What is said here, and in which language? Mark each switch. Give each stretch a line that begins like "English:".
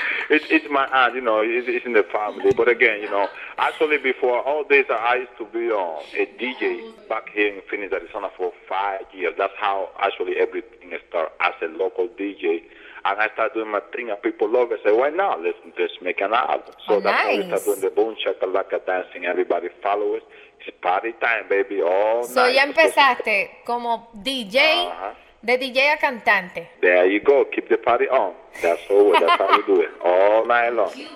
English: it's my aunt, you know, it's in the family. But again, you know, actually before all this, I used to be a DJ back here in Phoenix, Arizona for 5 years. That's how actually everything started, as a local DJ. And I started doing my thing, and people love it. I said, why not? Let's make an album. So that's nice. How we started doing the Boom Shakalaka dancing. Everybody follow it. Party time, baby, all so night.
Spanish: Ya empezaste como DJ, de DJ a cantante.
English: There you go, keep the party on. That's how we do it, all night long.